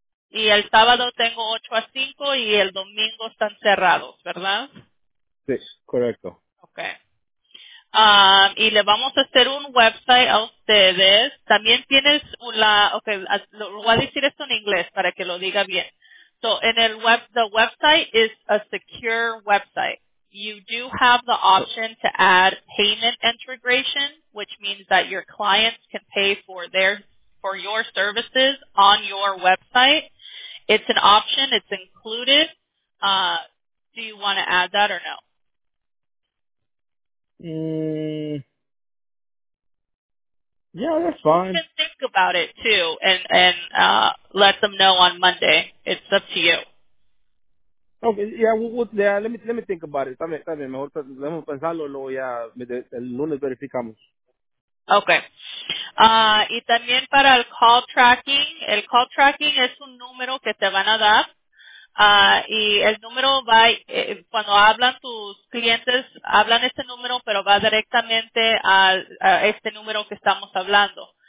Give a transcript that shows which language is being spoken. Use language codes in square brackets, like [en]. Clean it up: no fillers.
[es] Y el sábado tengo 8 a 5 y el domingo están cerrados, ¿verdad? Sí, correcto. Okay. Y le vamos a hacer un website a ustedes. También tienes una, okay, lo voy a decir esto en inglés para que lo diga bien. [en] So, [es] en el web, [en] the website is a secure website. You do have the option to add payment integration, which means that your clients can pay for their for your services on your website. It's an option, it's included. Do you want to add that or no? Yeah, that's fine. You can think about it too and let them know on Monday. It's up to you. Okay, yeah, let me think about it. [es] Está bien, mejor vamos a pensarlo, luego ya el lunes verificamos. Okay. Y también para el call tracking es un número que te van a dar. Y el número va, cuando hablan tus clientes, hablan este número, pero va directamente a este número que estamos hablando.